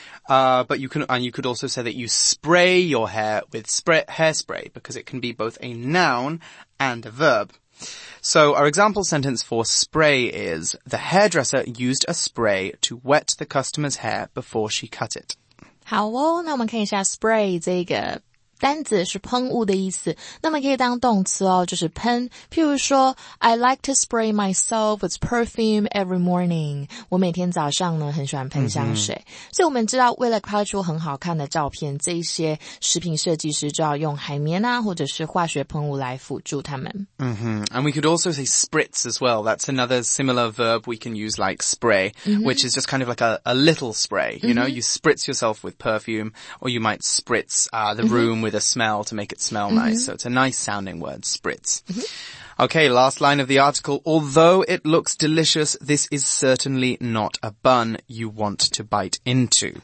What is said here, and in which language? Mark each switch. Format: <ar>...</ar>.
<en>You could also say that you spray your hair with hairspray, because it can be both a noun and a verb. So our example sentence for spray is, the hairdresser used a spray to wet the customer's hair before she cut it.</en> <zh>好哦，那我们看一下 spray 这个单字是喷雾的意思，那么可以当动词哦，就是喷。譬如说</zh> <en>，I like to spray myself with perfume every morning.</en> <zh>我每天早上呢很喜欢喷香水。Mm-hmm. 所以我们知道，为了拍出很好看的照片，这些食品设计师就要用海绵啊，或者是化学喷雾来辅助他们。 Mm-hmm.</zh> <en>And we could also say spritz as well. That's another similar verb we can use, like spray,、 mm-hmm. which is just kind of like a little spray. You know,、 mm-hmm. you spritz yourself with perfume, or you might spritz the room.、Mm-hmm. With a smell to make it smell nice、 So it's a nice sounding word, spritz、 mm-hmm. Okay, last line of the article, although it looks delicious, this is certainly not a bun you want to bite into.</en>